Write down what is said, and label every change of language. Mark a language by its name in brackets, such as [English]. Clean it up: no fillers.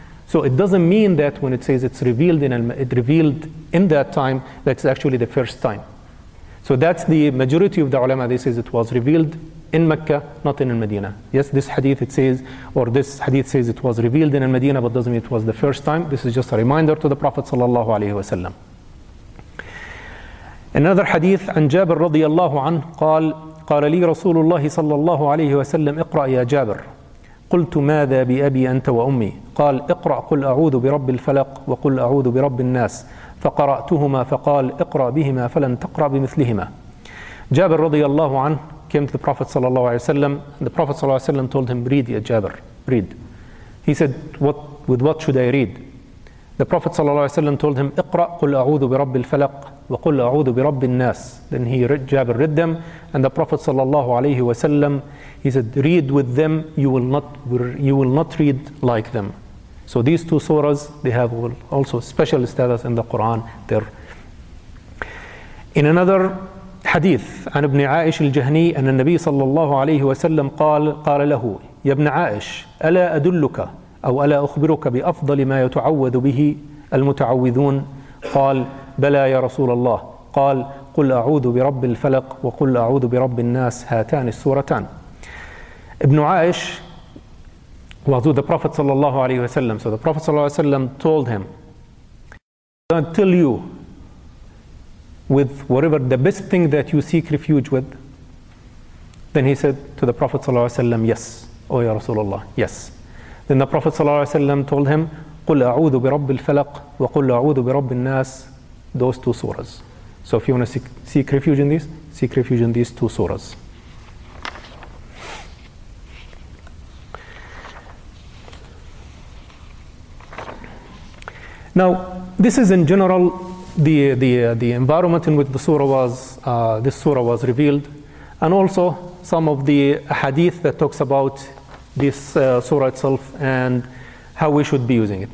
[English] So it doesn't mean that when it says it's revealed in that time, that's actually the first time. So that's the majority of the ulama. They say it was revealed in Mecca, not in Medina. Yes, this hadith says it was revealed in Medina, but doesn't mean it was the first time. This is just a reminder to the Prophet sallallahu alaihi wasallam. Another hadith, [Arabic] عن جابر رضي الله عنه قال لي رسول الله صلى الله عليه وسلم اقرأ يا جابر قلت ماذا بأبي أنت وأمي قال اقرأ قل أعوذ برب الفلق وقل أعوذ برب الناس فقرأتهما فقال اقرأ بهما فلن تقرأ بمثلهما. [English] جابر رضي الله عنه came to the Prophet صلى الله عليه وسلم. The Prophet صلى الله عليه وسلم told him, read, [Arabic] يا جابر, [English] read. He said, with what should I read? The Prophet [Arabic] صلى الله عليه وسلم [English] told him, [Arabic] اقرأ قل أعوذ برب الفلق وقل أعوذ برب الناس. [English] Then he read, Jabir read them, and the Prophet صلى الله عليه وسلم, he said, read with them, you will not read like them. So these two surahs, they have also special status in the Quran there. In another hadith, [Arabic] عن ابن عائش الجهني أن النبي صلى الله عليه وسلم قال له يا ابن عائش ألا أدلك أو ألا أخبرك بأفضل ما يتعوذ به المتعوذون؟ قال بلى يا رسول الله. قال قل أعوذ برب الفلق وقل أعوذ برب الناس هاتان السورتان. [English] ابن عائش was with the Prophet صلى الله عليه وسلم. So the Prophet صلى الله عليه وسلم told him, I'm going to tell you with whatever the best thing that you seek refuge with. Then he said to the Prophet صلى الله عليه وسلم, yes, oh [Arabic] يا رسول الله, [English] yes. Then the Prophet [Arabic] صلى الله عليه وسلم [English] told him, [Arabic] قل أعوذ برب الفلق وقل أعوذ برب الناس, [English] those two surahs. So if you want to seek refuge in these, seek refuge in these two surahs. Now, this is in general the environment in which this surah was revealed, and also some of the hadith that talks about this surah itself and how we should be using it.